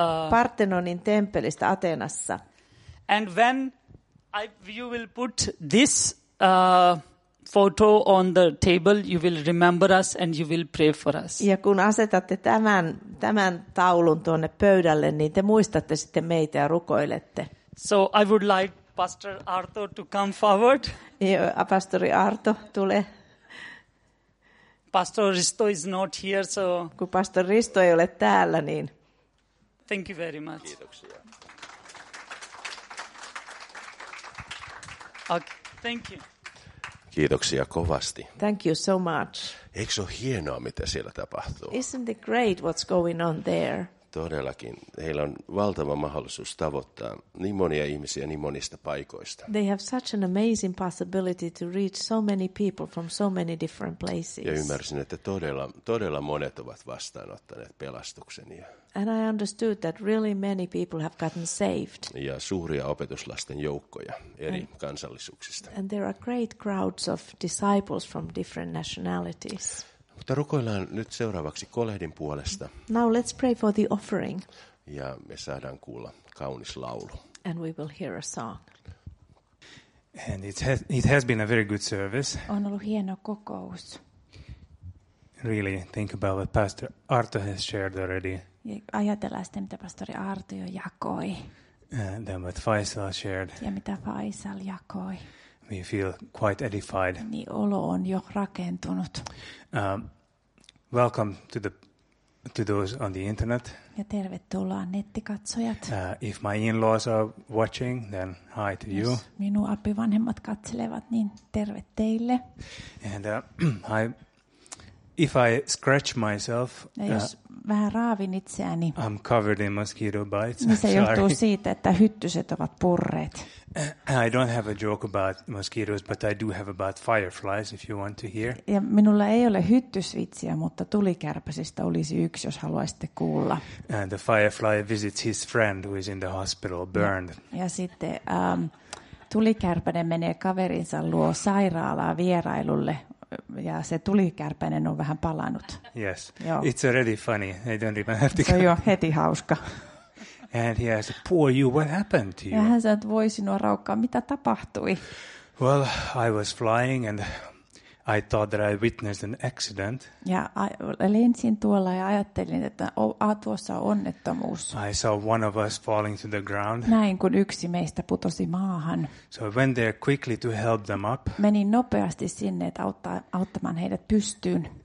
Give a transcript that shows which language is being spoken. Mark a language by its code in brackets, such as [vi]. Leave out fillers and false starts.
[fi] Parthenonin temppelistä Ateenassa. [en] And when you will put this photo on the table, you will remember us and you will pray for us. [fi] Ja kun asetatte tämän taulun tuonne pöydälle, niin te muistatte sitten meitä ja rukoilette. [en] So I would like Pastor Arto to come forward. [fi] Ja pastori Arto tulee. [en] Pastor Risto is not here, so. [fi] Kun pastori Risto ei ole täällä, niin. [en] Thank you very much. [fi] Kiitoksia. [en] Okay, thank you. [fi] Kiitoksia kovasti. [en] Thank you so much. [fi] Eikö se ole hienoa, mitä siellä tapahtuu? [en] Isn't it great what's going on there? [fi] Todellakin. Heillä on valtava mahdollisuus tavoittaa niin monia ihmisiä niin monista paikoista. [en] They have such an amazing possibility to reach so many people from so many different places. [fi] Ja ymmärsin, että todella monet ovat vastaanottaneet pelastuksen. [en] And I understood that really many people have gotten saved. [fi] Ja suuria opetuslasten joukkoja eri kansallisuuksista. [en] And there are great crowds of disciples from different nationalities. [fi] Mutta rukoillaan nyt seuraavaksi kolehdin puolesta. [en] Now let's pray for the offering. [fi] Ja me saadaan kuulla kaunis laulu. [en] And we will hear a song. And it has been a very good service. [fi] On ollut hieno kokous. [en] really think about what Pastor Arto has shared already. [fi] Ajatellaan sitä, mitä pastori Arto jo jakoi. [en] And then what Faisal shared. [fi] Ja mitä Faisal jakoi. [en] We feel quite edified. [fi] Niin olo on jo rakentunut. [en] Welcome to those on the internet. [fi] Ja tervetuloa nettikatsojat. [en] If my in-laws are watching, then hi to [fi] jos [en] you. [fi] Jos minun apivanhemmat katselevat, niin terve teille. [en] And if I scratch myself, [fi] jos vähän raavin itseäni, [en] I'm covered in mosquito bites. [fi] Niin se johtuu siitä, että hyttyset ovat purreet. [en] I don't have a joke about mosquitoes, but I do have about fireflies, if you want to hear. [fi] Ja minulla ei ole hyttysvitsiä, mutta tulikärpäsistä olisi yksi, jos haluaisitte kuulla. [en] And the firefly visits his friend, who is in the hospital, burned. [fi] Ja sitten tulikärpäinen menee kaverinsa luo sairaalaa vierailulle, ja se tulikärpäinen on vähän palanut. [en] Yes, joo. It's already funny. I don't even have to [fi] go. Se on jo heti hauska. [en] And he asked, poor you, what happened to you? [fi] Ja hän sanoi, että voi sinua raukkaa, mitä tapahtui? [en] Well, I was flying and I thought that I witnessed an accident. [fi] Ja lensin tuolla ja ajattelin, että tuossa on onnettomuus. [en] I saw one of us falling to the ground. [fi] Näin, kun yksi meistä putosi maahan. [en] So I went there quickly to help them up. [fi] Menin nopeasti sinne, että auttamaan heidät pystyyn.